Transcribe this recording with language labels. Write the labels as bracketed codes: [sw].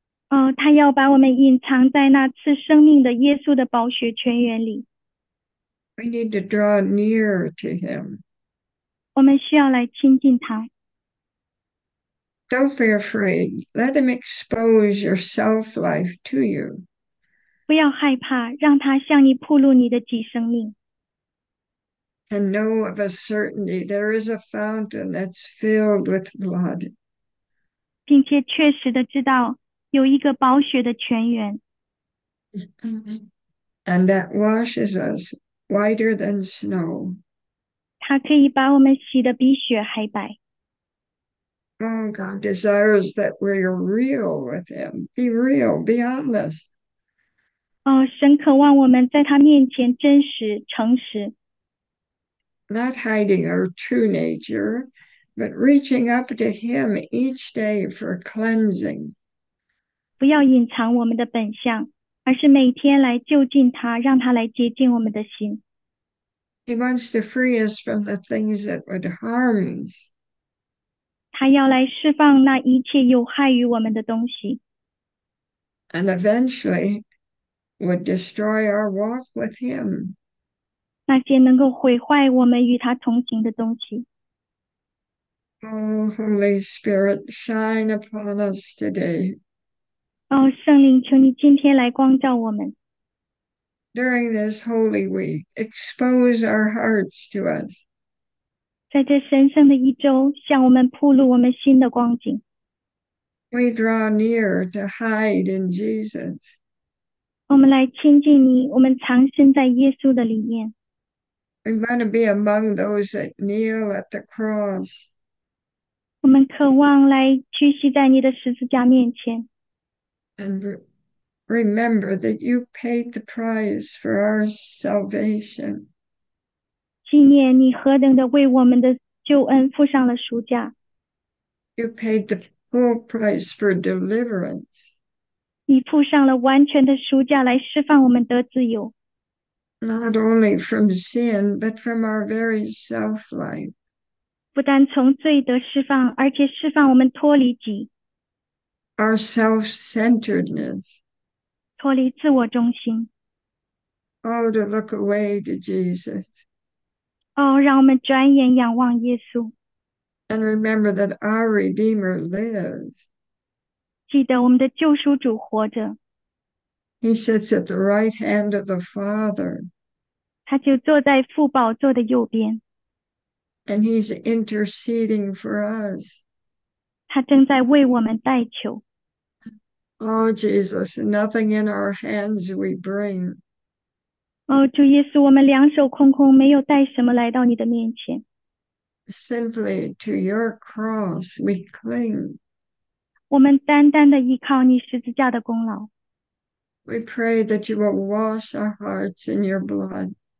[zh] 哦，他要把我们隐藏在那赐生命的耶稣的宝血泉源里。 [en] We need to draw near to him. [zh] 我们需要来亲近他。 [en] Don't be afraid. Let him expose your self-life to you. [zh] 不要害怕，让他向你暴露你的己生命。 [en] And know of a certainty there is a fountain that's filled with blood. [zh] 并且确实的知道有一个宝血的泉源。 [en] And that washes us whiter than snow. [zh] 它可以把我们洗得比雪还白。 [en] Oh, God desires that we're real with Him. Be real, be honest. [zh] 哦，神渴望我们在他面前真实、诚实。 [en] Not hiding our true nature, but reaching up to Him each day for cleansing. [zh] 不要隐藏我们的本相，而是每天来就近他，让他来洁净我们的心。 [en] He wants to free us from the things that would harm us. [zh] 他要来释放那一切有害于我们的东西。 [en] And eventually would destroy our walk with him. [zh] 那些能够毁坏我们与他同行的东西， [en] Oh, Holy Spirit, shine upon us today. [zh] 哦，圣灵，求你今天来光照我们。 [en] During this Holy Week, expose our hearts to us. [zh] 在这神圣的一周，向我们暴露我们新的光景。 [en] We draw near to hide in Jesus. [zh] 我们来亲近你，我们藏身在耶稣的里面。 [en] We want to be among those that kneel at the cross. [zh] 我们渴望来屈膝在你的十字架面前。 [en] And remember that you paid the price for our salvation. [zh] 纪念你何等的为我们的救恩付上了赎价。 [en] You paid the full price for deliverance. [zh] 你付上了完全的赎价来释放我们得自由。 [en] Not only from sin, but from our very self-life. [zh] 不但从罪得释放，而且释放我们脱离己， [en] Our self-centeredness. [zh] 脱离自我中心。 [en] Oh, to look away to Jesus. [zh] 哦，让我们转眼仰望耶稣， [en] And remember that our Redeemer lives. [zh] 记得我们的救赎主活着， [en] He sits at the right hand of the Father. [zh] 他就坐在父宝座的右边。 [en] And He's interceding for us. [zh] 他正在为我们代求。 [en] Oh, Jesus, nothing in our hands we bring. [zh] 哦，主耶稣，我们两手空空，没有带什么来到你的面前。 [en] Simply to your cross we cling. [zh] 我们单单的依靠你十字架的功劳。 [en] We pray that you will wash our hearts in your blood.